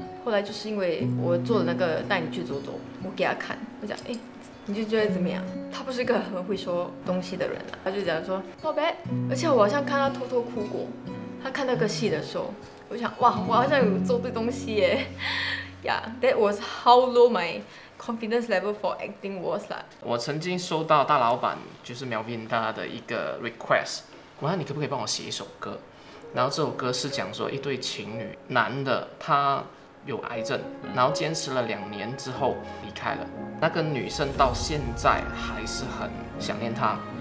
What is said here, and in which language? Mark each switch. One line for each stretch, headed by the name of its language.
Chinese: 后来就是因为我做了那个带你去走走，我给他看，我讲，你就觉得怎么样？他不是一个很会说东西的人，他就讲说宝贝，而且我好像看他偷偷哭过，他看那个戏的时候，我想哇，我好像有做对东西耶。
English: Yeah, that was how low my confidence level for acting was.
Chinese: 我曾经收到大老板就是苗斌大的一个 request， 我说你可不可以帮我写一首歌，然后这首歌是讲说一对情侣，男的他有癌症，然后坚持了两年之后离开了，那个女生到现在还是很想念他。